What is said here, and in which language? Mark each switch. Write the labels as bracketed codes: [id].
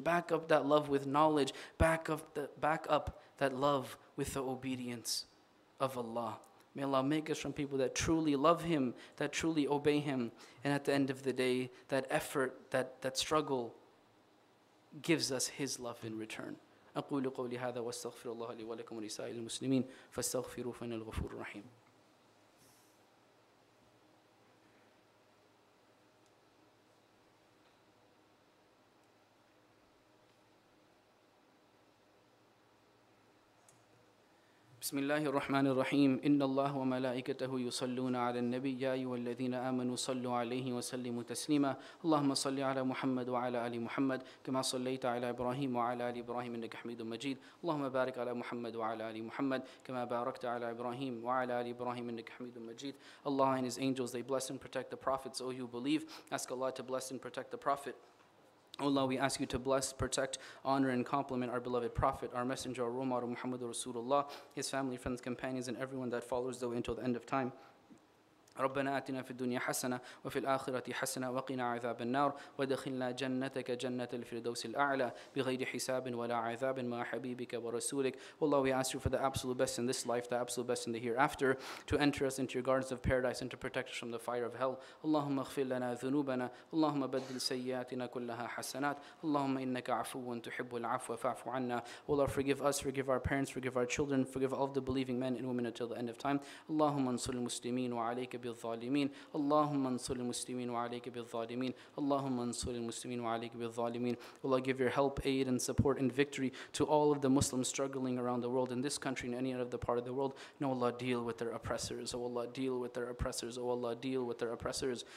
[en] Back up that love with knowledge. Back up that love with the obedience of Allah. May Allah make us from people that truly love Him, that truly obey Him. And at the end of the day, that effort, that struggle gives us His love in return. [ar] أقول قولي هذا واستغفر الله لي ولكم ولسائر المسلمين فاستغفروا فإن الغفور رحيم. بسم الله الرحمن الرحيم. إن الله وملائكته يصلون على النبي يا أيها الذين آمنوا صلوا عليه وسلموا تسليما. اللهم صل على محمد وعلى آل محمد كما صليت على إبراهيم وعلى آل إبراهيم إنك حميد مجيد. اللهم بارك على محمد وعلى آل محمد كما باركت على إبراهيم وعلى آل إبراهيم إنك حميد مجيد. [en] Allah and His angels, they bless and protect the prophets. O you believe, ask Allah to bless and protect the prophet. O Allah, we ask you to bless, protect, honor, and compliment our beloved Prophet, our Messenger, our role model, Muhammad Rasulullah, his family, friends, companions, and everyone that follows the way until the end of time. [ar] ربنا آتنا في الدنيا حسنة وفي الآخرة حسنة وقنا عذاب النار ودخلنا جنتك جنة الفردوس الأعلى بغير حساب ولا عذاب مع حبيبك ورسولك. [en] والله, we ask you for the absolute best in this life, the absolute best in the hereafter, to enter us into your gardens of paradise and to protect us from the fire of hell. [ar] اللهم اغفر لنا ذنوبنا, اللهم بدل سيئاتنا كلها حسنات, اللهم إنك عفو تحب العفو فاعف عنا. [en] Allah, forgive us, forgive our parents, forgive our children, forgive all the believing men and women until the end of time. [ar] اللهم انصر المسلمين وعليك بالظالمين, اللهم انصر المسلمين وعليك بالظالمين, اللهم انصر المسلمين وعليك بالظالمين. [en] Allah, give your help, aid and support and victory to all of the Muslims struggling around the world, in this country and any other part of the world. No, Allah, deal with their oppressors. Oh Allah, deal with their oppressors. Oh Allah, deal with their oppressors.